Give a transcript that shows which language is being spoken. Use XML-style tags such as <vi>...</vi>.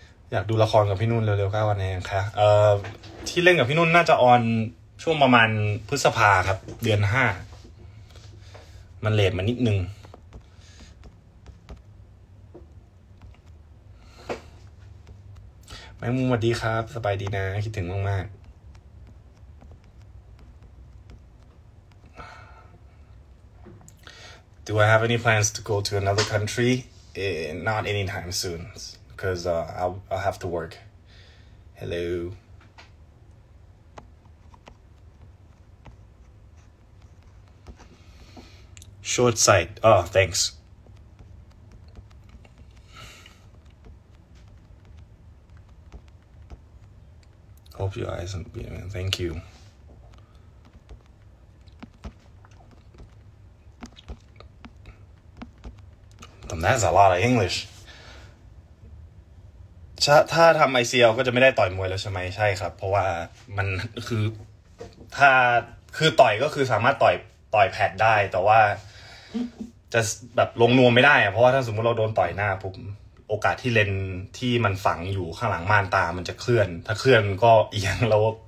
<th>อยากดูละครกับพี่นุ่นเร็วๆ9วันเองค่ะที่เล่นกับพี่นุ่นน่าจะออนช่วงประมาณพฤษภาครับเดือน5มันเลทมานิดนึงแม่มุมสวัสดีครับสบายดีนะคิดถึงมากๆ</th> <en>Do I have any plans to go to another country? Not anytime soon because I'll have to work. Hello. Short sight. Oh, thanks. Hope your eyes aren't beating. Thank you. Damn, that's a lot of English.</en> <th>ถ้าทำ ICL ก็จะไม่ได้ต่อยมวยแล้วใช่ไหมใช่ครับเพราะว่ามันคือถ้าคือต่อยก็คือสามารถต่อยแพดได้แต่ว่าจะแบบลงนวมไม่ได้อะเพราะว่าถ้าสมมติเราโดนต่อยหน้าปุ๊บโอกาสที่เลนที่มันฝังอยู่ข้างหลังม่านตามันจะเคลื่อนถ้าเคลื่อนก็เอียงแล้ว</th>